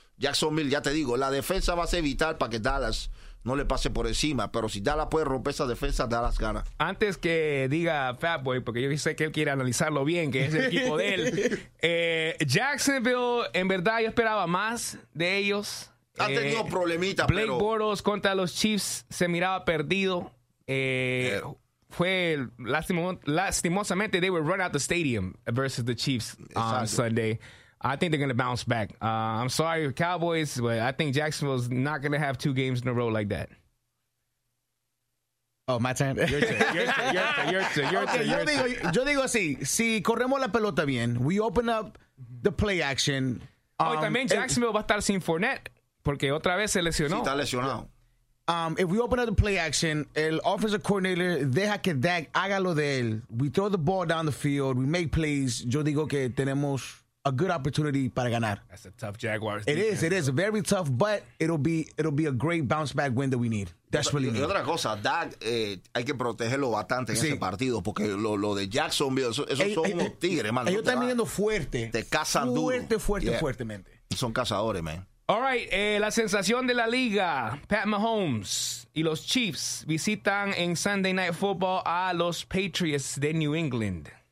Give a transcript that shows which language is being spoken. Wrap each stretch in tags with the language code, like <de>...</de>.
<es>Jacksonville, ya te digo, la defensa va a ser vital para que Dallas no le pase por encima, pero si Dallas puede romper esa defensa, Dallas gana. Antes que diga Fatboy, porque yo sé que él quiere analizarlo bien, que es el equipo de él, Jacksonville, en verdad, yo esperaba más de ellos. Ha tenido problemitas, pero... Blake Bortles contra los Chiefs se miraba perdido. Fue lastimosamente,</es> <en>they were run out the stadium versus the Chiefs on Sunday. I think they're going to bounce back. I'm sorry, Cowboys, but I think Jacksonville's not going to have two games in a row like that. Oh, my turn.</en> <es>Yo digo así, si corremos la pelota bien,</es> <en>we open up the play action.</en> <es>Oye, también Jacksonville va a estar sin Fournette, porque otra vez se lesionó. Sí, está lesionado.</es> <en>If we open up the play action, el offensive coordinator</en> <es>deja que Dak haga lo de él.</es> <en>We throw the ball down the field. We make plays.</en> <es>Yo digo que tenemos...</es> <en>a good opportunity</en> <es>para ganar.</es> <en>That's a tough Jaguars. It is very tough, but it'll be a great bounce back win that we need. That's really good.</en> <es>Otra cosa, Dak, hay que protegerlo bastante en ese partido porque lo de Jacksonville, esos son unos tigres, man. Ellos están viniendo fuerte. Te cazan duro. Fuertemente. Son cazadores, man.</es> <en>All right,</en> <es>la sensación de la liga, Pat Mahomes y los Chiefs visitan en Sunday Night Football a los Patriots de New England.</es>